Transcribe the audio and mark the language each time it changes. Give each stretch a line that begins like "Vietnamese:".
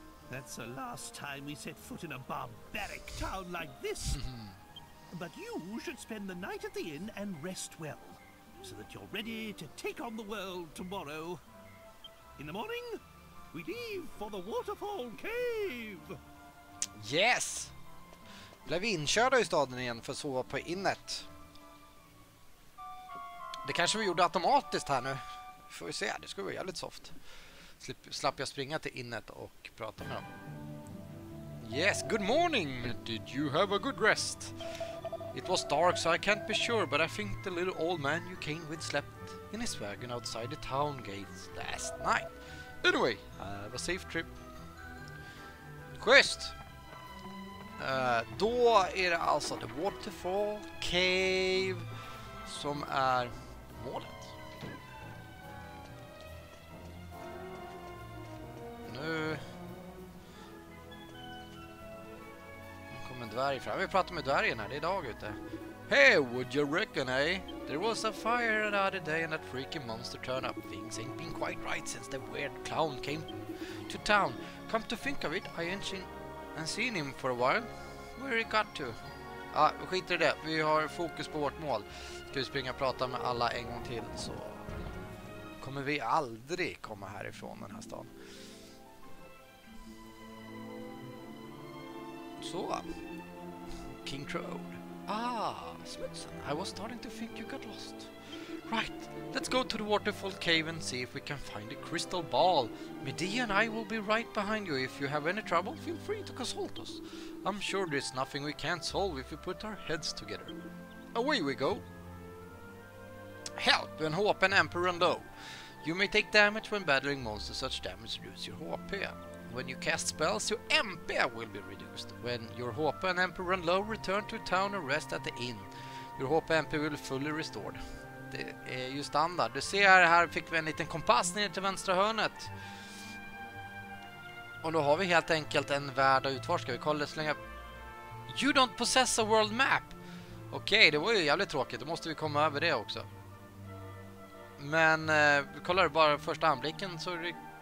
English: That's the last time we set foot in a barbaric town like this. But you should spend the night at the inn and rest well, so that you're ready to take on the world tomorrow. In the morning, we leave for the waterfall cave! Yes!
Swedish: Blev inkörda i staden igen för att sova på innet. Det kanske vi gjorde automatiskt här nu. Får vi se, det skulle vara jävligt soft. Slapp jag springa till innet och prata med dem.
English: Yes, good morning! Did you have a good rest? It was dark so I can't be sure, but I think the little old man you came with slept in his wagon outside the town gates last night. Anyway, have a safe trip. Quest!
Swedish: Då är det alltså The Waterfall Cave som är målet. Nu kommer en dvärg fram. Vi pratar med dvärgen här, det är dag ute.
English: Hey, would you reckon, eh? There was a fire the other day and that freaky monster turned up. Things ain't been quite right since the weird clown came to town. Come to think of it, I ain't seen him for a while. Where he got to?
Swedish: Skiter i det, vi har fokus på vårt mål. Ska vi springa och prata med alla en gång till så kommer vi aldrig komma härifrån den här stan.
English: So, King Trode. Ah, Smutsen, I was starting to think you got lost. Right, let's go to the waterfall cave and see if we can find a crystal ball. Medea and I will be right behind you. If you have any trouble, feel free to consult us. I'm sure there's nothing we can't solve if we put our heads together. Away we go. Help and hope an emperor and low. You may take damage when battling monsters. Such damage reduces your HP. When you cast spells, your MP will be reduced. When your HP and MP run low, return to town and rest at the inn. Your HP and MP will be fully restored.
Swedish: Det är ju standard. Du ser här fick vi en liten kompass ner till vänstra hörnet. Och då har vi helt enkelt en värld att utforska. Vi kollar så länge.
English: You don't possess a world map!
Swedish: Okej, det var ju jävligt tråkigt. Då måste vi komma över det också. Men vi kollar bara första anblicken så är det...